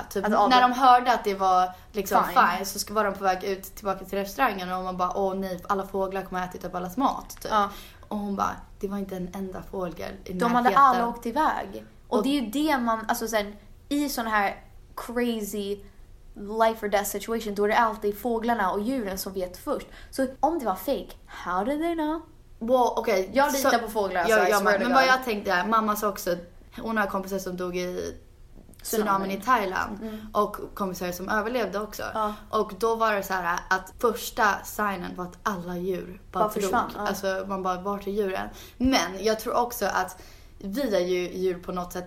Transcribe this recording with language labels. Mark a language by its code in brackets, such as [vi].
[sv] Typ, alltså, när de hörde att det var liksom fine, så var de på väg ut tillbaka till restaurangen och man bara, åh nej, alla fåglar kommer att äta upp allas mat. Typ. Ja. Och hon bara, det var inte en enda fågel i närheten. De hade alla åkt iväg. Och det är ju det man, alltså sen, i sån här [en] crazy life or death situation, [sv] då är det alltid fåglarna och djuren som vet först. [en] Så om det var fake, how did they know? Well, okay, [sv] jag litar på fåglarna. Men vad jag tänkte är, mamma sa också, hon har kompisar som dog i tsunamin i Thailand. Mm. Och kompisar som överlevde också. Ja. Och då var det så här att första signen var att alla djur bara försvann. Alltså man bara, vart är djuren? Men jag tror också att vi är ju djur på något sätt.